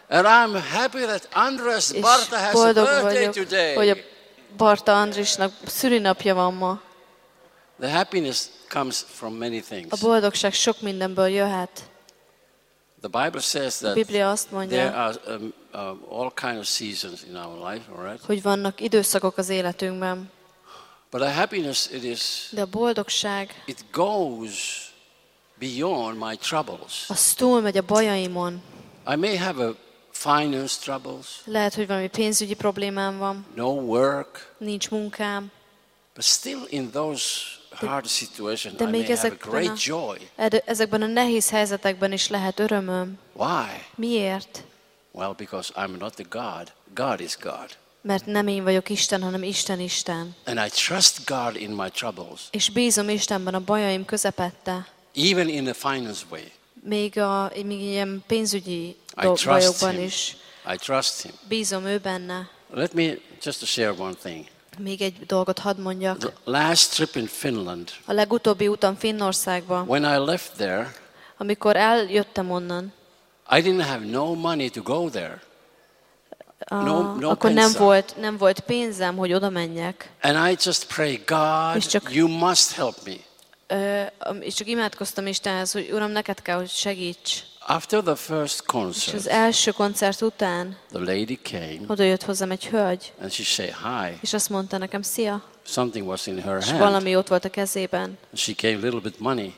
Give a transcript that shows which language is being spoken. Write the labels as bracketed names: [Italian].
[English] And I'm happy that Andres Barta has a birthday today. [Hungarian] Hogy a Barta Andrisnak szülinapja van ma. [English] The happiness comes from many things. [Hungarian] A boldogság sok mindenből jöhet. [English] The Bible says that [Hungarian] Biblia azt mondja, [English] there are all kinds of seasons in our life, all right? [Hungarian] Hogy vannak időszakok az életünkben. [English] But the happiness it is. [Hungarian] De a boldogság. [English] It goes beyond my troubles. [Hungarian] Az túl megy a bajaimon. [English] I may have a finance troubles. [Hungarian] Lehet, hogy valami pénzügyi problémám van. [English] No work. [Hungarian] Nincs munkám. [English] But still in those hard situation, I may have a great joy. [Hungarian] Ezekben a nehéz helyzetekben is lehet örömöm. [English] Why? [Hungarian] Miért? [English] Well, because I'm not the God. God is God. [Hungarian] Mert nem én vagyok Isten, hanem Isten Isten. [English] And I trust God in my troubles. [Hungarian] És bízom Istenben a bajaim közepette. [English] Even in the finance way. [Hungarian] Még ilyen pénzügyi bajokban is. [English] I trust him. [Hungarian] Bízom ő benne. [English] Let me just share one thing. [Hungarian] Még egy dolgot hadd mondjak. [English] The last trip in Finland. [Hungarian] A legutóbbi utam Finnországba. [English] When I left there. [Hungarian] Amikor eljöttem onnan. [English] I didn't have no money to go there. [Hungarian] No akkor pensa. nem volt pénzem, hogy oda menjek. [English] And I just pray, God, you must help me. [Hungarian] És csak imádkoztam Istenhez, hogy Uram, neked kell, hogy segíts. [English] After the first concert. [Hungarian] És az első koncert után. [English] The lady came. [Hungarian] Odajött hozzám egy hölgy. [English] And she said hi. [Hungarian] És azt mondta nekem szia. [English] Something was in her hand. [Hungarian] És valami ott volt a kezében. [English] And she gave a little bit money.